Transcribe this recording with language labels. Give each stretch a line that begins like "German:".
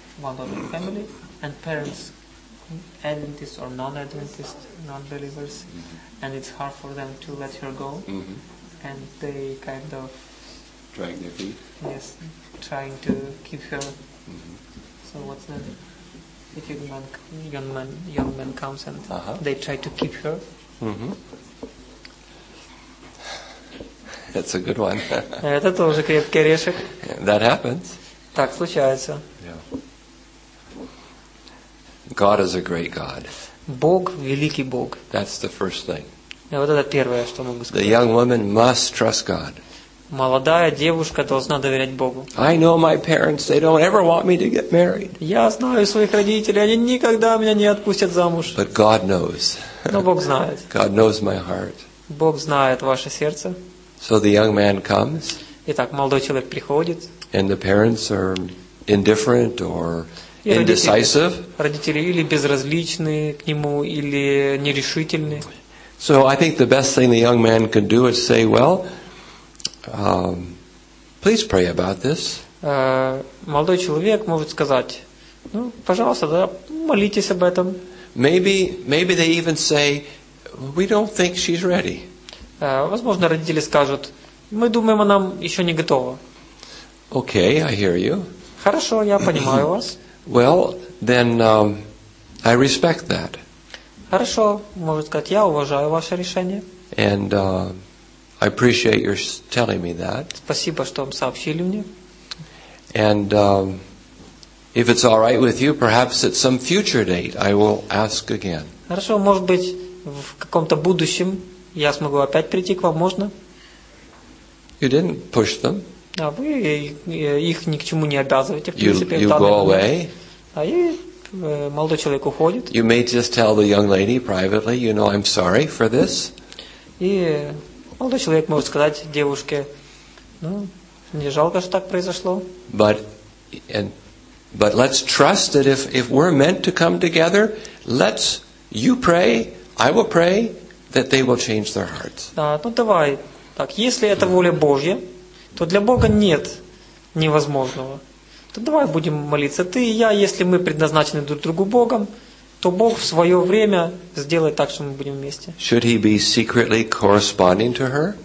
English: One of the family and parents, Adventist or non-Adventist, non-believers, and it's hard for them to let her go, and they kind of drag their feet. Yes, trying to keep her. So what's that? If young man comes and they try to keep her. That's a good one.
Russian: Это тоже крепкий орешек.
English: That happens.
Russian: Так случается.
English: God is a great God.
Russian: Бог великий Бог.
English: That's the first thing.
Russian: Вот это первое, что могу сказать.
English: The young woman must trust God.
Russian: Молодая девушка должна доверять Богу.
English: I know my parents; they don't ever want me to get married.
Russian: Я знаю своих родителей; они никогда меня не отпустят замуж.
English: But God knows.
Russian: Но Бог знает.
English: God knows my heart.
Russian: Бог знает ваше сердце.
English: So the young man comes.
Russian: Итак, молодой человек приходит.
English: And the parents are indifferent or indecisive.
Russian: Родители или безразличны к нему, или нерешительны.
English: So I think the best thing the young man can do is say, "Well, please pray about this."
Russian: Молодой человек может сказать, ну, пожалуйста, да, молитесь об этом.
English: Maybe they even say, "We don't think she's ready."
Russian: Возможно, родители скажут, мы думаем, она еще не готова.
English: Okay, I hear you.
Russian: Хорошо, я понимаю вас.
English: Well, then I respect that.
Russian: Хорошо, может сказать, я уважаю ваше решение.
English: And I appreciate your telling me that.
Russian: Спасибо, что вам сообщили мне.
English: And if it's all right with you, perhaps at some future date I will ask again.
Russian: Хорошо, может быть, в каком-то будущем я смогу опять прийти к вам, можно?
English: You didn't push them.
Russian: А вы их ни к чему не обязываете, в принципе,
English: you
Russian: в данный момент. И молодой человек уходит.
English: You may just tell the young lady privately, you know, I'm sorry for this.
Russian: И молодой человек может сказать девушке, ну, мне жалко, что так произошло.
English: But, and But let's trust that if we're meant to come together, you pray, I will pray, that they will change their hearts.
Russian: Да, ну давай. Так, если это воля Божья, то для Бога нет невозможного. То давай будем молиться ты и я, если мы предназначены друг другу Богом, то Бог в свое время сделает так, что мы будем вместе.
English: Should he be secretly corresponding to her?